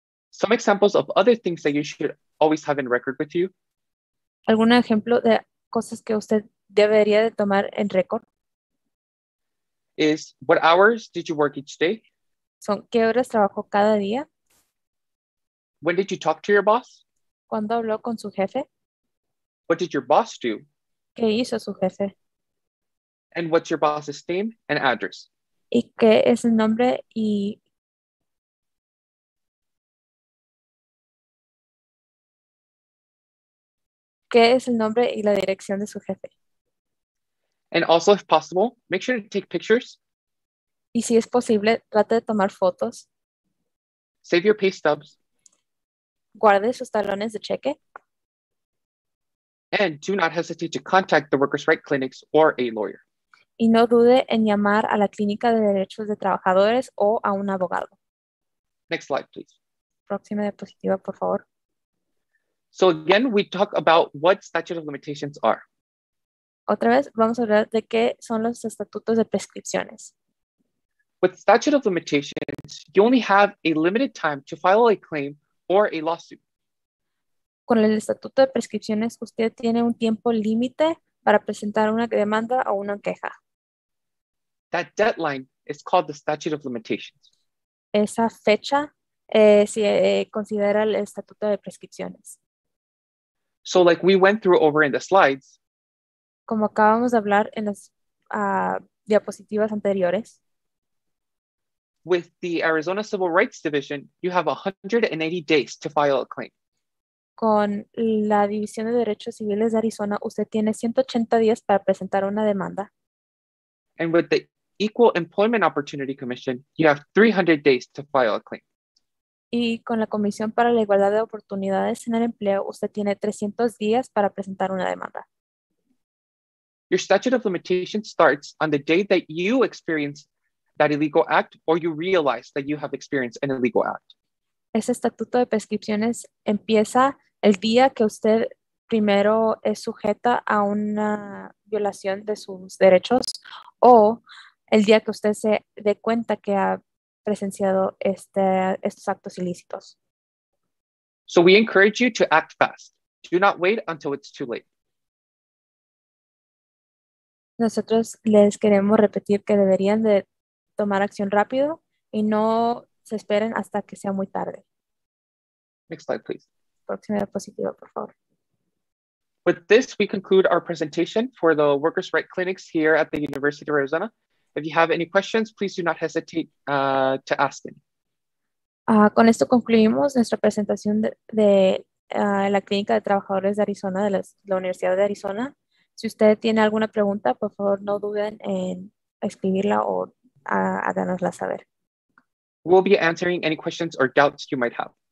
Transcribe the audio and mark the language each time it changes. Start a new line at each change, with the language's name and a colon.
English: Some examples of other things that you should always have in record with you.
Spanish: ¿Algún ejemplo de cosas que usted debería de tomar en récord?
English: Is what hours did you work each day?
Spanish: ¿Son qué horas trabajó cada día?
English: When did you talk to your boss?
Spanish: ¿Cuándo habló con su jefe?
English: What did your boss do?
Spanish: ¿Qué hizo su jefe?
English: And what's your boss's name and address?
Spanish: ¿Y qué es el nombre y qué es el nombre y la dirección de su jefe?
English: And also, if possible, make sure to take pictures.
Spanish: Y si es posible, trate de tomar fotos.
English: Save your pay stubs.
Spanish: Guarde sus talones de cheque.
English: And do not hesitate to contact the workers' rights clinics or a lawyer.
Spanish: Y no dude en llamar a la clínica de derechos de trabajadores o a un abogado.
English: Next slide, please.
Spanish: Próxima diapositiva, por favor.
English: So again, we talk about what statute of limitations are.
Spanish: Otra vez, vamos a hablar de qué son los estatutos de prescripciones.
English: With statute of limitations, you only have a limited time to file a claim or a lawsuit.
Spanish: Con el estatuto de prescripciones, usted tiene un tiempo límite para presentar una demanda o una queja.
English: That deadline is called the statute of limitations.
Spanish: Esa fecha considera el estatuto de prescripciones.
English: So like we went through over in the slides.
Spanish: Como acabamos de hablar en las diapositivas anteriores.
English: With the Arizona Civil Rights Division, you have 180 days to file a claim.
Spanish: Con la División de Derechos Civiles de Arizona, usted tiene 180 días para presentar una demanda.
English: And with the Equal Employment Opportunity Commission, you have 300 days to file a claim.
Spanish: Y con la Comisión para la Igualdad de Oportunidades en el Empleo, usted tiene 300 días para presentar una demanda.
English: Your statute of limitations starts on the day that you experience that illegal act or you realize that you have experienced an illegal act.
Spanish: Ese estatuto de prescripciones empieza el día que usted primero es sujeta a una violación de sus derechos o el día que usted se dé cuenta que ha presenciado estos actos ilícitos.
English: So we encourage you to act fast. Do not wait until it's too late.
Spanish: Nosotros les queremos repetir que deberían de tomar acción rápido y no se esperen hasta que sea muy tarde.
English: Next slide, please.
Spanish: Próxima diapositiva, por favor.
English: With this, we conclude our presentation for the workers' rights clinics here at the University of Arizona. If you have any questions, please do not hesitate to ask them.
Spanish: Con esto concluimos nuestra presentación de la Clínica de Trabajadores de Arizona, de la Universidad de Arizona. Si usted tiene alguna pregunta, por favor, no duden en escribirla o háganosla saber.
English: We'll be answering any questions or doubts you might have.